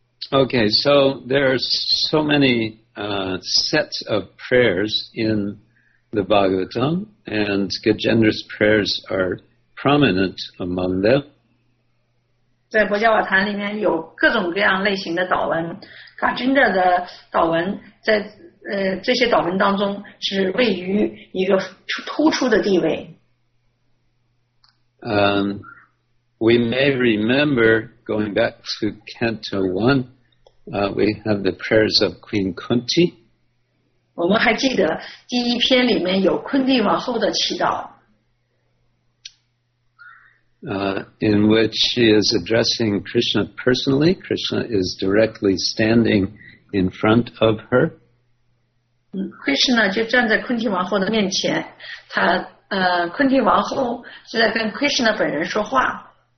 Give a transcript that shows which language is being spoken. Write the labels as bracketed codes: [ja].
[en] Okay, so there are so many sets of prayers in the Bhagavatam, and Gajendra's prayers are prominent among them. [zh] 在佛教瓦坛里面有各种各样类型的祷文， Gajendra 的祷文在这些祷文当中是位于一个突出的地位。 [en] We may remember going back to Canto 1, we have the prayers of Queen Kunti. [zh] 我们还记得第一篇里面有昆蒂王后的祈祷。 [en] In which she is addressing Krishna personally. Krishna is directly standing in front of her. [zh] Krishna 就站在昆蒂王后的面前，他昆蒂王后是在跟 Krishna 本人说话。